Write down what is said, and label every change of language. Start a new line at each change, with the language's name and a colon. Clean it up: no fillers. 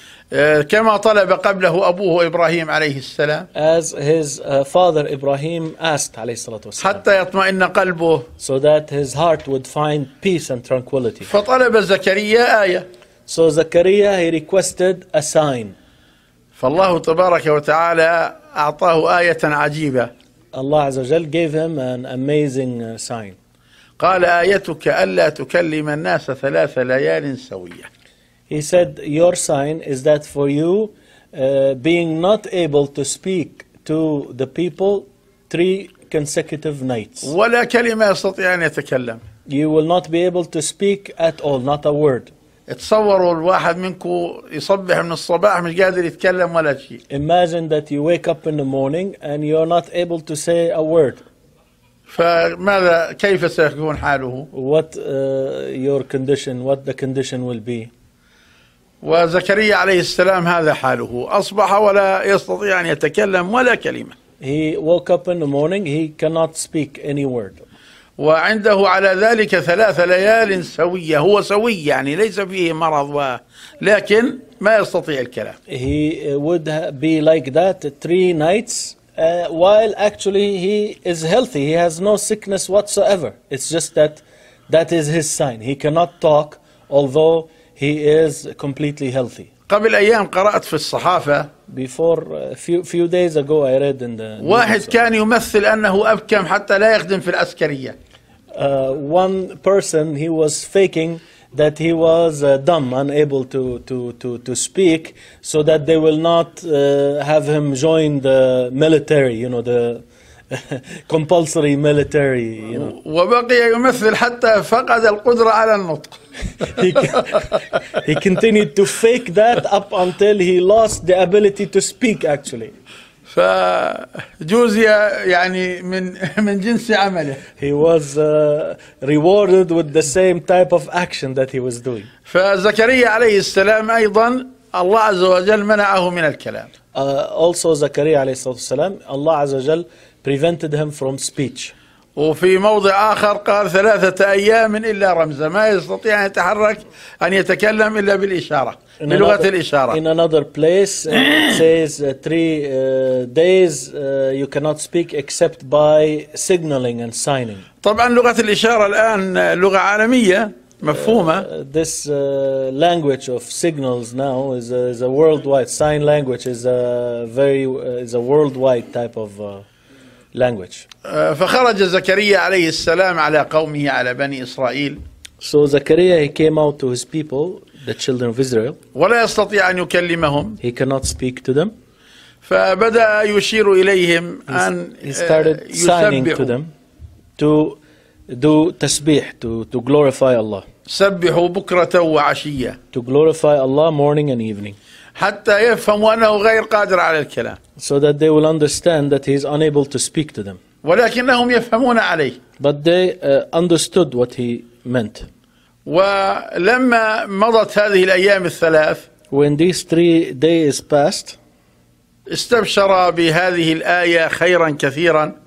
Arabic: كما طلب قبله أبوه إبراهيم عليه السلام
English: as his father Ibrahim asked
Arabic: عليه الصلاة والسلام حتى يطمئن قلبه
English: so that his heart would find peace and tranquility
Arabic: فطلب زكريا آية
English: so زكريا he requested a sign
Arabic: فالله تبارك وتعالى أعطاه آية عجيبة الله عز وجل
English: gave him an amazing sign
Arabic: قال آيتك ألا تكلم الناس ثلاث ليال سوية
English: He said, your sign is that for you being not able to speak to the people three consecutive nights.
Arabic: ولا كلمة يستطيع أن يتكلم.
English: You will not be able to speak at all, not a word.
Arabic: اتصوروا الواحد منكم يصبح من الصباح مش قادر يتكلم ولا شيء.
English: Imagine that you wake up in the morning and you're not able to say a word.
Arabic: فماذا كيف سيكون حاله؟
English: What your condition, what the condition will be.
Arabic: وزكريا عليه السلام هذا حاله أصبح ولا يستطيع أن يتكلم ولا كلمة
English: He woke up in the morning, he cannot speak any word
Arabic: وعنده على ذلك ثلاث ليال سوية هو سوي يعني ليس فيه مرض لكن ما يستطيع الكلام
English: He would be like that three nights while actually he is healthy, he has no sickness whatsoever It's just that is his sign, he cannot talk although He is completely healthy.
Arabic: قبل أيام قرأت في الصحافة.
English: Before few days ago, I read in the.
Arabic: واحد كان يمثل أنه أبكم حتى لا يخدم في العسكرية.
English: One person he was faking that he was dumb, unable to speak, so that they will not have him join the military. You know the. compulsory military you know
Arabic: وبقي يمثل حتى فقد القدره على النطق
English: he, He continued to fake that up until he lost the ability to speak, actually.
Arabic: فجوزي يعني من جنس عمله.
English: He was rewarded with the same type of action that he was doing.
Arabic: فزكريا عليه السلام أيضا الله عز وجل منعه من الكلام.
English: Also زكريا
Arabic: عليه الصلاة والسلام الله عز وجل
English: prevented him from speech.
Arabic: وفي موضع آخر قال ثلاثة أيام إلا رمزا ما يستطيع أن يتحرك أن يتكلم إلا بالإشارة بلغة الإشارة.
English: In another place it says three days you cannot speak except by signaling and signing.
Arabic: طبعا لغة الإشارة الآن لغة عالمية مفهومة.
English: This language of signals now is a worldwide sign language is a worldwide type of language.
Arabic: فخرج زكريا عليه السلام على قومه على بني إسرائيل.
English: So زكريا he came out to his people, the children of Israel.
Arabic: ولا يستطيع أن يكلمهم.
English: He cannot speak to them.
Arabic: فبدأ يشير إليهم أن
English: he started signing to them to do تسبيح to glorify Allah.
Arabic: سبحوا بكرة وعشية.
English: To glorify Allah morning and evening.
Arabic: حتى يفهموا أنه غير قادر على الكلام.
English: So that they will understand that he is unable to speak to them.
Arabic: ولكنهم يفهمون عليه.
English: But they understood what he meant.
Arabic: ولما مضت هذه الأيام الثلاث.
English: When these 3 days passed.
Arabic: استبشر بهذه الآية خيرا كثيرا.